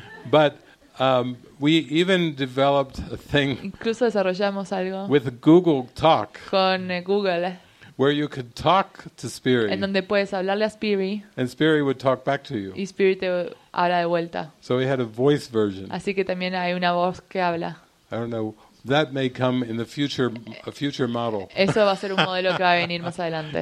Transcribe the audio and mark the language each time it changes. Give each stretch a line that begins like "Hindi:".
English: But we even developed a thing.
Spanish: Incluso desarrollamos algo.
English: With Google Talk.
Spanish: Con Google.
English: Where you could talk to Spiri.
Spanish: En donde puedes hablarle a Spiri.
English: And Spiri would talk back to you.
Spanish: Y Spiri te habla de vuelta.
English: So we had a voice version.
Spanish: Así que también hay una voz que habla.
English: I don't know That may come in the future, a future model.
Spanish: Eso va a ser un modelo que va a venir más adelante.